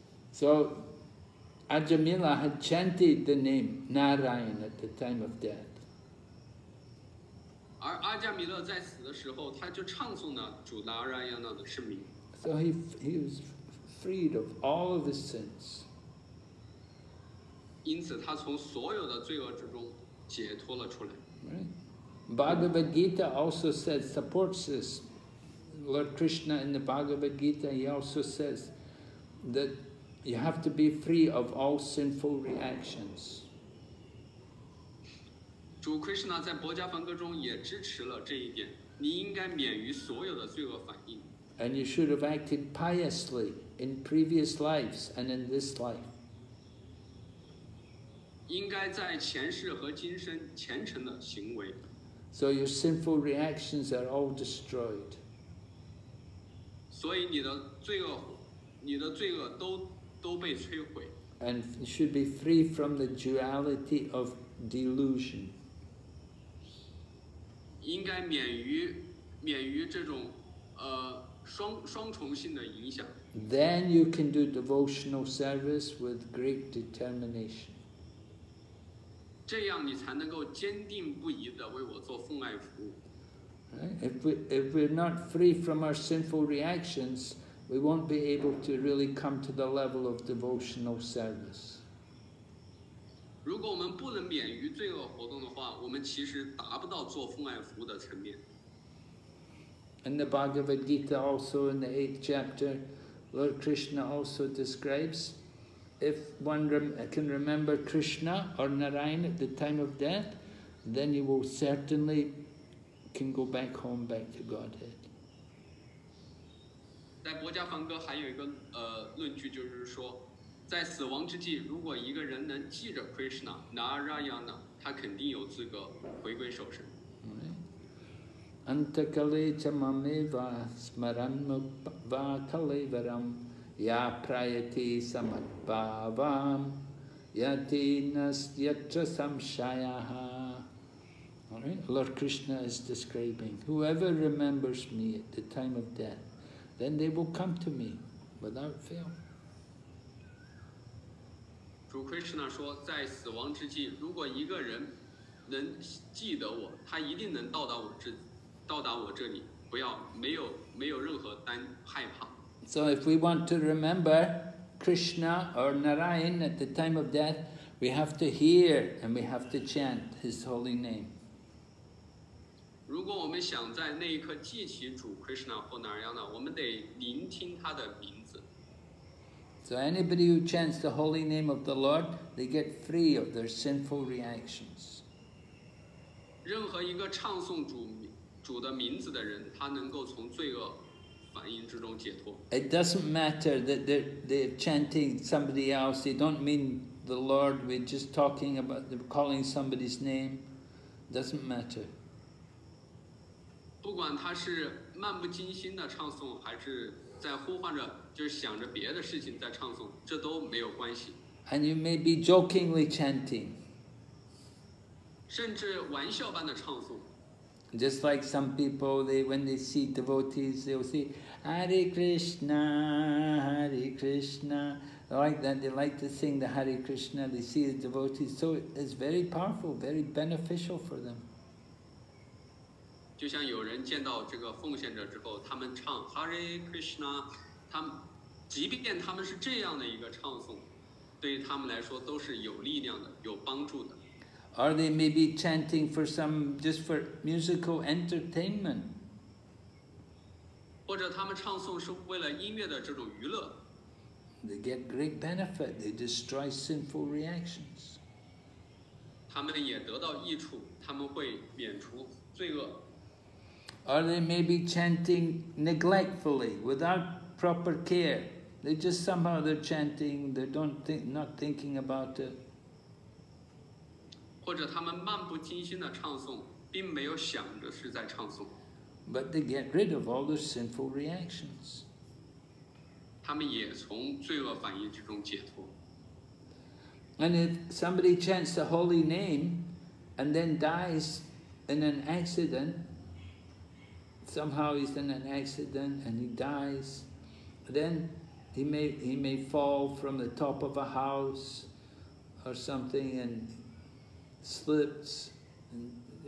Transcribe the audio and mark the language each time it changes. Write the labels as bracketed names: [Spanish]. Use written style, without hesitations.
[English] So, Ajamila had chanted the name Narayana at the time of death. [Chinese] 而阿加米勒在死的时候，他就唱诵了主达拉亚那的圣名。 [English] So he was freed of all of his sins. [Chinese] 因此，他从所有的罪恶之中解脱了出来。 [English] Bhagavad Gita also says supports this. Lord Krishna in the Bhagavad Gita, he also says that you have to be free of all sinful reactions. [Chinese] 主 Krishna 在《薄伽梵歌》中也支持了这一点。你应该免于所有的罪恶反应。 [English] And you should have acted piously in previous lives and in this life. [Chinese] 应该在前世和今生虔诚的行为。 [English] So your sinful reactions are all destroyed. [Chinese] 所以你的罪恶都被摧毁。 [English] And you should be free from the duality of delusion. [Chinese] 应该免于这种双重性的影响。 [English] Then you can do devotional service with great determination. [Chinese] 这样你才能够坚定不移地为我做奉爱服务。 [English] If we're not free from our sinful reactions, we won't be able to really come to the level of devotional service. [Chinese] 如果我们不能免于罪恶活动的话，我们其实达不到做奉爱服务的层面。 [English] In the Bhagavad Gita, also in the 8th chapter, Lord Krishna also describes, if one can remember Krishna or Narayana at the time of death, then you will certainly can go back home, back to Godhead. [Chinese] In 薄伽梵歌还有一个论据，就是说，在死亡之际，如果一个人能记着 Krishna, Narayana, 他肯定有资格回归受生。 [Sanskrit] Antakale chamameva smaranmukva kalevaram ya prayati samadbhavam yati nasyatra samshayaha. [English] Alright, Lord Krishna is describing, whoever remembers me at the time of death, then they will come to me without fail. [Chinese] 主 Krishna 说，在死亡之际，如果一个人能记得我，他一定能到达我这里，不要没有任何担害怕。 [English] So if we want to remember Krishna or Narayana at the time of death, we have to hear and we have to chant his holy name. [Chinese] 如果我们想在那一刻记起主 Krishna 或 Narayana, 我们得聆听他的名字。 [English] So anybody who chants the holy name of the Lord, they get free of their sinful reactions. [Chinese] 任何一个唱诵主的名字的人，他能够从罪恶反应之中解脱。 [English] It doesn't matter that they're chanting somebody else. They don't mean the Lord. We're just talking about calling somebody's name. Doesn't matter. [Chinese] 不管他是漫不经心的唱诵，还是在呼唤着，就是想着别的事情在唱诵，这都没有关系。 [English] And you may be jokingly chanting. [Chinese] 甚至玩笑般的唱诵。 [English] Just like some people, when they see devotees, they'll say, Hare Krishna, Hare Krishna. Like that, they like to sing the Hare Krishna, they see the devotees. So it's very powerful, very beneficial for them. [Chinese] 就像有人见到这个奉献者之后，他们唱 Hare Krishna, 他们即便他们是这样的一个唱诵，对于他们来说都是有力量的，有帮助的。 [English] Or they may be chanting for some, just for musical entertainment. [Chinese] 或者他们唱诵是为了音乐的这种娱乐。 [English] They get great benefit. They destroy sinful reactions. [Chinese] 他们也得到益处，他们会免除罪恶。 [English] Or they may be chanting neglectfully, without proper care. They just somehow they're chanting, they don't think, not thinking about it. [Chinese] 或者他们漫不经心的唱诵，并没有想着是在唱诵。 [English] But they get rid of all the sinful reactions. [Chinese] 他们也从罪恶反应之中解脱。 [English] And if somebody chants the holy name and then dies in an accident, somehow he's in an accident and he dies, then he may fall from the top of a house or something and slips and